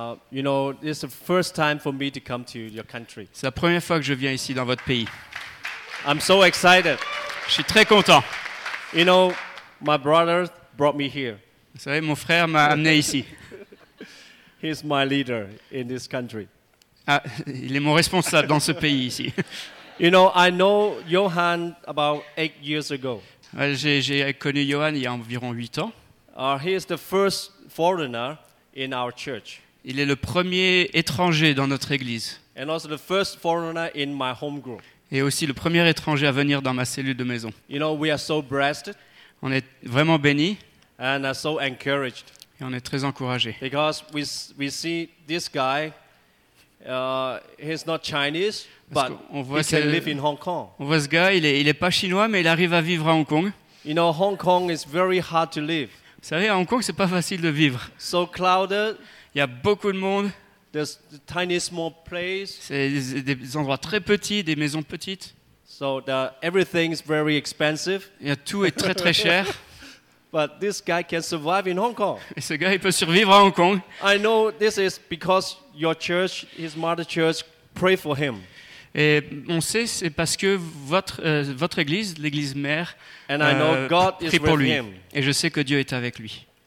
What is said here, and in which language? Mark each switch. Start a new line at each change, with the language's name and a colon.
English: You know, this is the first time for me to come to your country.
French: C'est la première fois que je viens ici dans votre pays.
English: I'm so excited.
French: Je suis très content.
English: You know, my brother brought me here.
French: Vous savez, mon frère m'a amené ici.
English: He's my leader in this country.
French: Ah, il est mon responsable dans ce pays ici.
English: You know, I know Johan about 8 years ago.
French: J'ai connu Johan il y a environ 8 ans.
English: He is the first foreigner in our church.
French: Il est le premier étranger dans notre église.
English: And also the first foreigner in my home group.
French: Et aussi le premier étranger à venir dans ma cellule de maison.
English: You know, we are so blessed.
French: On est vraiment bénis.
English: And are so encouraged.
French: Et on est très encouragés.
English: Because we see this guy, he's not Chinese, but he can live in Hong Kong.
French: On voit ce gars, il est pas chinois, mais il arrive à vivre à Hong Kong.
English: You know, Hong Kong is very hard to live.
French: Vous savez, à Hong Kong, c'est pas facile de vivre.
English: So crowded.
French: Il y a beaucoup de monde.
English: There's a tiny small place.
French: C'est des endroits très petits, des maisons petites.
English: So everything is very expensive.
French: Et tout est très très cher.
English: But this guy can survive in Hong Kong.
French: Et ce gars, il peut survivre à Hong Kong.
English: I know this is because your church, his mother church, pray for him.
French: Et on sait c'est parce que votre église, l'église mère,
English: and I know God
French: prie
English: is
French: pour
English: with
French: lui.
English: Him.
French: Et je sais que Dieu est avec lui.